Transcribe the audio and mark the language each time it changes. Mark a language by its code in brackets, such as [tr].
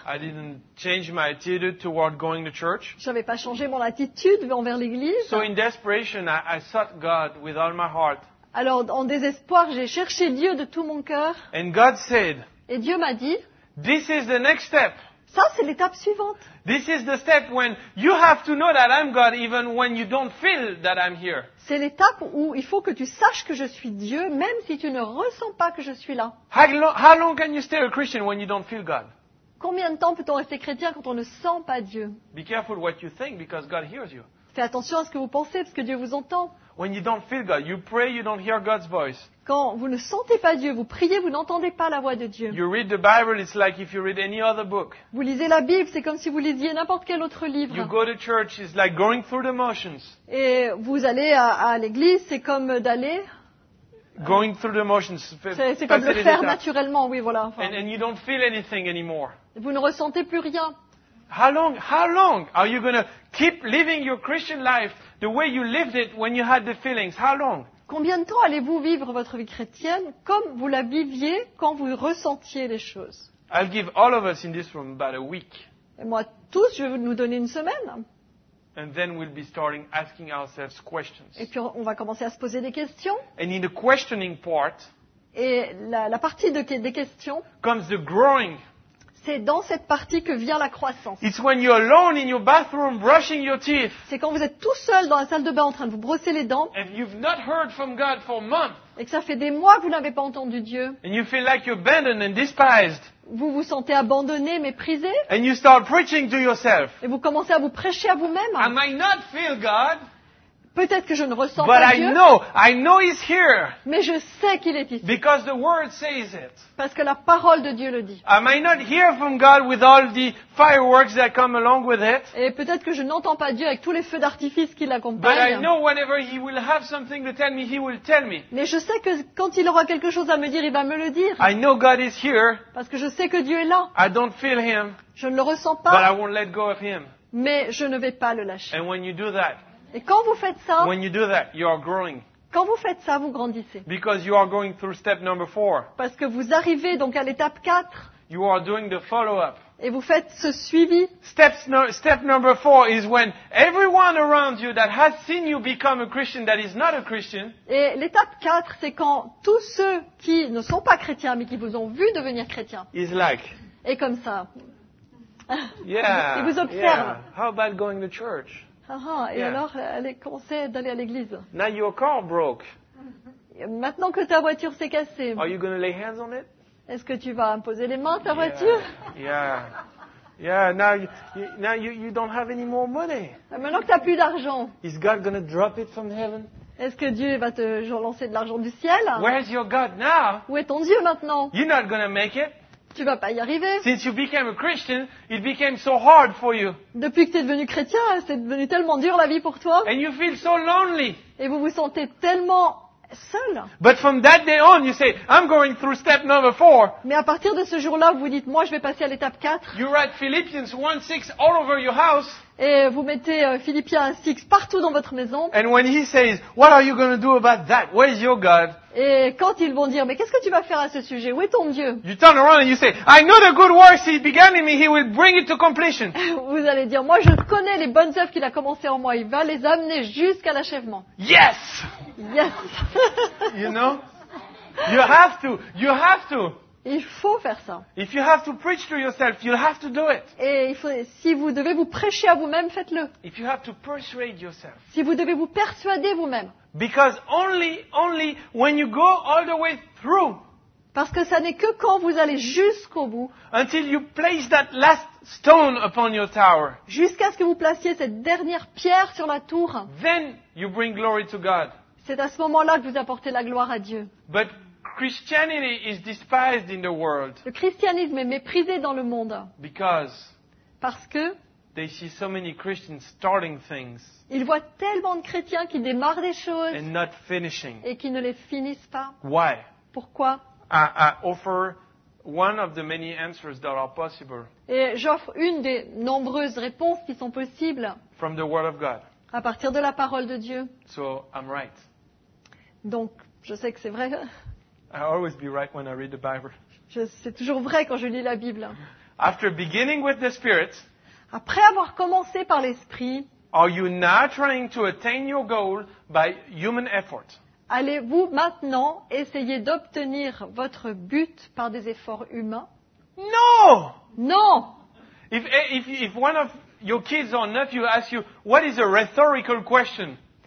[en] I didn't change my attitude toward going to church. [fr] Je n'avais pas changé mon attitude envers l'église. [en] So in desperation, I sought God with all my heart. [fr] Alors, en désespoir, j'ai cherché Dieu de tout mon cœur. [en] And God said, [fr] et Dieu m'a dit, [en] this is the next step. [fr] Ça, c'est l'étape suivante. [en] This is the step when you have to know that I'm God even when you don't feel that I'm here. [fr] C'est l'étape où il faut que tu saches que je suis Dieu même si tu ne ressens pas que je suis là. [en] How long can you stay a Christian when you don't feel God? [fr] Combien de temps peut-on rester chrétien quand on ne sent pas Dieu? [en] Be careful what you think because God hears you. [fr] Fais attention à ce que vous pensez parce que Dieu vous entend. [en] When you don't feel God, you pray, you don't hear God's voice. [fr] Quand vous ne sentez pas Dieu, vous priez, vous n'entendez pas la voix de Dieu. [en] You read the Bible, it's like if you read any other book. [fr] Vous lisez la Bible, c'est comme si vous lisiez n'importe quel autre livre. [en] You go to church, it's like going through the motions. [fr] Et vous allez à l'église, c'est comme d'aller. [en] Going through the motions. [fr] C'est comme le faire naturellement, oui, voilà. [en] Enfin, and you don't feel anything anymore. [fr] Vous ne ressentez plus rien. [en] How long are you going to keep living your Christian life the way you lived it when you had the feelings? How long? [fr] Combien de temps allez-vous vivre votre vie chrétienne comme vous la viviez quand vous ressentiez les choses? [en] I'll give all of us in this room about a week. [fr] Et moi, tous, je vais nous donner une semaine. [en] And then we'll be starting asking ourselves questions. [fr] Et puis, on va commencer à se poser des questions. [en] And in the questioning part, [fr] et la partie des questions [en] comes the growing. [fr] C'est dans cette partie que vient la croissance. [en] It's when you're alone in your bathroom brushing your teeth. [fr] C'est quand vous êtes tout seul dans la salle de bain en train de vous brosser les dents. [en] And you've not heard from God for months. [fr] Et que ça fait des mois que vous n'avez pas entendu Dieu. [en] And you feel like you're abandoned and despised. [fr] Vous vous sentez abandonné, méprisé. [en] And you start preaching to yourself. [fr] Et vous commencez à vous prêcher à vous-même. [en] I might not feel God. [fr] Peut-être que je ne ressens [en] but [fr] pas [en] I [fr] Dieu. [en] Know, I know he's here. [fr] Mais je sais qu'il est ici. [en] Because the word says it. [fr] Parce que la parole de Dieu le dit. [en] I might not hear from God with all the fireworks that come along with it. [fr] Et peut-être que je n'entends pas Dieu avec tous les feux d'artifice qui l'accompagnent. [en] But I know whenever he will have something to tell me, he will tell me. [fr] Mais je sais que quand il aura quelque chose à me dire, il va me le dire. [en] I know God is here. [fr] Parce que je sais que Dieu est là. [en] I don't feel him. [fr] Je ne le ressens pas. [en] But I won't let go of him. [fr] Mais je ne vais pas le lâcher. [en] And when you do that, [fr] et quand vous faites ça, [en] when you do that, you are growing. [fr] Quand vous faites ça, vous grandissez. [en] Because you are going through step number four. [fr] Parce que vous arrivez donc à l'étape 4. [en] You are doing the follow-up. [fr] Et vous faites ce suivi. [en] Step number four is when everyone around you that has seen you become a Christian that is not a Christian. [fr] Et l'étape 4, c'est quand tous ceux qui ne sont pas chrétiens mais qui vous ont vu devenir chrétien. [en] Is like. [fr] Et comme ça. [en] Yeah. [fr] Ils vous observent. [en] Yeah. How about going to church? [fr] Alors, elle conseille d'aller à l'église. [en] Now your car broke. [fr] Maintenant que ta voiture s'est cassée. [en] Are you going to lay hands on it? [fr] Est-ce que tu vas imposer les mains à ta voiture? [en] Yeah. Yeah, now you don't have any more money. [fr] Maintenant que tu n'as plus d'argent. [en] Is God going to drop it from heaven? [fr] Est-ce que Dieu va te lancer de l'argent du ciel? [en] Where is your God now? [fr] Où est ton Dieu maintenant? [en] You're not going to make it. [fr] Tu vas pas y arriver. [en] Since you became a Christian, it became so hard for you. [fr] Depuis que tu es devenu chrétien, c'est devenu tellement dur la vie pour toi. [en] And you feel so lonely. [fr] Et vous vous sentez tellement seul. [en] But from that day on, you say, I'm going through step number four. [fr] Mais à partir de ce jour-là, vous dites, moi, je vais passer à l'étape 4. [en] You write Philippians 1:6 all over your house. [fr] Et vous mettez Philippiens 6 partout dans votre maison. [en] And when he says, what are you going to do about that? Where is your God? [fr] Et quand ils vont dire, mais qu'est-ce que tu vas faire à ce sujet? Où est ton Dieu? [en] You turn around and you say, I know the good works he began in me, he will bring it to completion. [fr] Vous allez dire, moi je connais les bonnes œuvres qu'il a commencées en moi, il va les amener jusqu'à l'achèvement. [en] Yes! Yes! You know? You have to, you have to. [fr] Il faut faire ça. [en] If you have to preach to yourself, you have to do it. [fr] Et si vous devez vous prêcher à vous-même, faites-le. [en] If you have to persuade yourself. [fr] Si vous devez vous persuader vous-même. [en] Because only when you go all the way through. [fr] Parce que ça n'est que quand vous allez jusqu'au bout. [en] Until you place that last stone upon your tower. [fr] Jusqu'à ce que vous placiez cette dernière pierre sur la tour. [en] Then you bring glory to God. [fr] C'est à ce moment-là que vous apportez la gloire à Dieu. [en] But Christianity is despised in the world. [fr] Le christianisme est méprisé dans le monde. [en] Because [fr] parce que [en] they see so many Christians starting things. [fr] Ils voient tellement de chrétiens qui démarrent des choses [en] and not finishing. [fr] Et qui ne les finissent pas. [en] Why? [fr] Pourquoi? [en] I offer one of the many answers that are possible. [fr] Et j'offre une des nombreuses réponses qui sont possibles. [en] From the word of God. [fr] À partir de la parole de Dieu. [en] So I'm right. [fr] Donc je sais que c'est vrai. [en] I always be right when I read the Bible. [fr] C'est toujours vrai quand je lis la Bible. [en] After beginning with the Spirit, [fr] après avoir commencé par l'Esprit, [en] are you now trying to attain your goal by human effort? [fr] Allez-vous maintenant essayer d'obtenir votre but par des efforts humains? [en] No! [fr] Non! [en] If one of your kids or nephew asks you, what is a rhetorical question?